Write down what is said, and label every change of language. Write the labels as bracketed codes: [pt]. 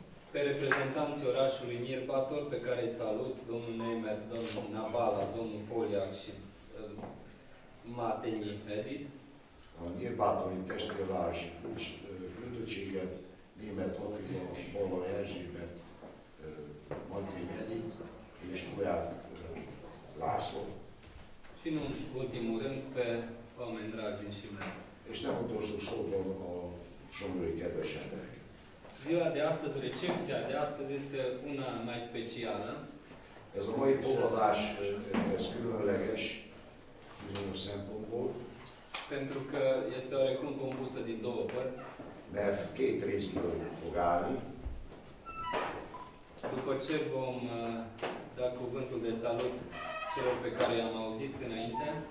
[ro] Pe reprezentanții orașului Nyírbátor, pe care îi salut, domnul Neymet, domnul Nabala, domnul Poliak și Matenyi Merit. [hu] A Nyírbátori testvérváros și küldöttséget, Németh Attila, Bola Erzsébet, Matenyi Merit és Kuják László. [ro] Și în ultimul rând, pe oameni dragi din Simeon. [hu] És nem utolsó sorban a somlői kedves ember. [ro] Ziua de astăzi, recepția de astăzi este una mai specială. [hu] Ez a mai fogadás, ez különleges, bizonyos szempontból. [ro] Pentru că este oarecum compusă din două părți. [hu] Mert két részből fog állni. [ro] După ce vom da cuvântul de salut celor pe care i-am auzit înainte,